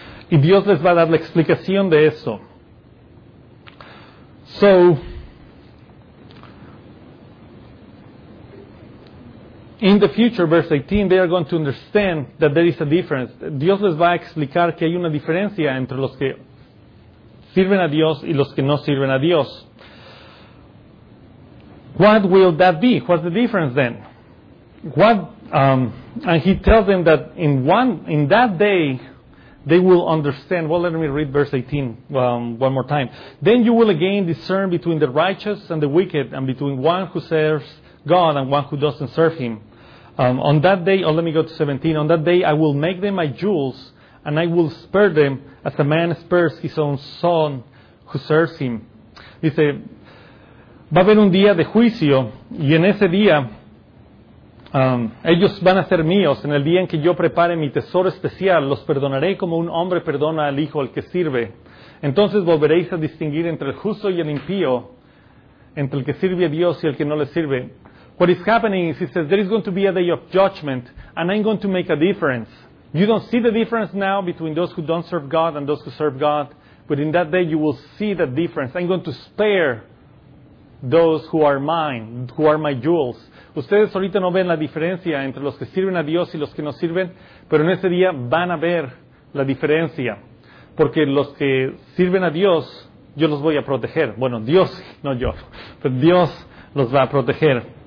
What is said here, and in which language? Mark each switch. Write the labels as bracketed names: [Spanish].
[Spanish] Y Dios les va a dar la explicación de eso. [English] So, in the future, verse 18, they are going to understand that there is a difference. [Spanish] Dios les va a explicar que hay una diferencia entre los que sirven a Dios y los que no sirven a Dios. [English] What will that be? What's the difference then? And he tells them that in that day, they will understand. Well, let me read verse 18 one more time. Then you will again discern between the righteous and the wicked, and between one who serves God and one who doesn't serve him. On that day, let me go to 17. On that day, I will make them my jewels, and I will spare them as a man spares his own son who serves him. [Spanish] Dice, va a haber un día de juicio, y en ese día ellos van a ser míos. En el día en que yo prepare mi tesoro especial, los perdonaré como un hombre perdona al hijo al que sirve. Entonces volveréis a distinguir entre el justo y el impío, entre el que sirve a Dios y el que no le sirve. [English] What is happening is, he says, there is going to be a day of judgment, and I'm going to make a difference. You don't see the difference now between those who don't serve God and those who serve God, but in that day you will see the difference. I'm going to spare those who are mine, who are my jewels. [Spanish] Ustedes ahorita no ven la diferencia entre los que sirven a Dios y los que no sirven, pero en ese día van a ver la diferencia. Porque los que sirven a Dios, yo los voy a proteger. Bueno, Dios, no yo, pero Dios los va a proteger.